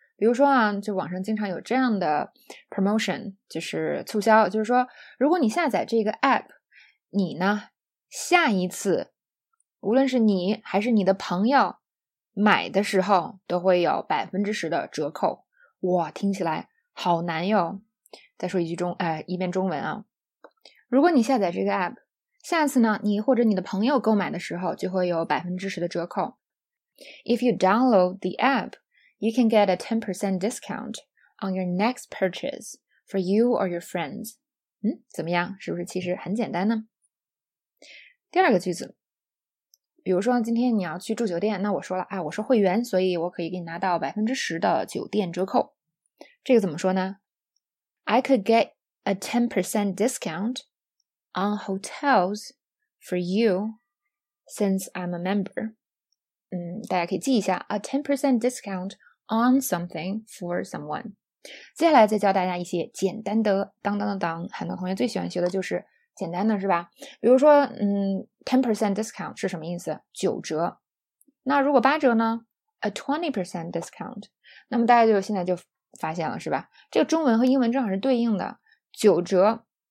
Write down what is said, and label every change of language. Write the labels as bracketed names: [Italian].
[Chinese] 比如说啊，就网上经常有这样的 promotion， 就是促销，就是说如果你下载这个 app， 你呢下一次无论是你还是你的朋友买的时候都会有 10% 的折扣。哇，听起来好难哟。再说一句一遍中文啊。如果你下载这个 app，下次呢，你或者你的朋友购买的时候就会有10%的折扣。 [English] If you download the app, you can get a 10% discount on your next purchase for you or your friends. [Chinese] 怎么样？是不是其实很简单呢？第二个句子，比如说今天你要去住酒店，那我说了，我是会员，所以我可以给你拿到10%的酒店折扣。这个怎么说呢？ [English] I could get a 10% discount. On hotels for you, since I'm a member. [Chinese] 大家可以记一下 [English] a 10% discount on something for someone. [Chinese] 接下来再教大家一些简单的，当当当当，很多同学最喜欢学的就是简单的，是吧？比如说，10% discount 是什么意思？九折。那如果八折呢？ [English] a 20% discount. [Chinese] 那么大家就现在就发现了，是吧？这个中文和英文正好是对应的，九折。